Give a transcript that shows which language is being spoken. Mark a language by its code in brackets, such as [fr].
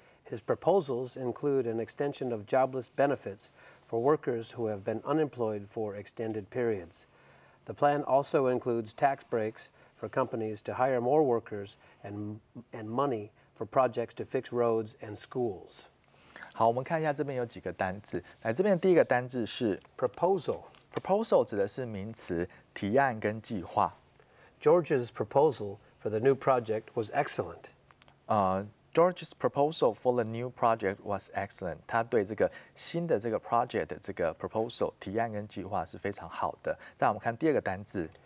[en] His proposals include an extension of jobless benefits for workers who have been unemployed for extended periods. The plan also includes tax breaks for companies to hire more workers and money for projects to fix roads and schools. [zh] 好，我们看一下这边有几个单字。来，这边的第一个单字是 [en] proposal。 [zh] proposal 指的是名词，提案跟计划。 [en] George's proposal for the new project was excellent。 George's proposal for the new project was excellent。 [zh] 他对这个新的这个 project 这个 proposal 提案跟计划是非常好的。再我们看第二个单字